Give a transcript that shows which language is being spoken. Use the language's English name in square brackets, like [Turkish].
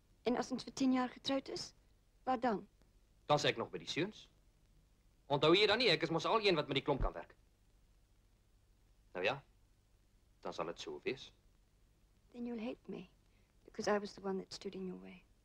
[Afrikaans] En as ons vir 10 jaar getroud is, wat dan? Dan sê ek nog by die seuns. Onthou jy dan nie, ek is mos al een wat met die klomp kan werk. Nou ja, dan sal het so wees. [English] Then you'll hate me, because I was the one that stood in your way.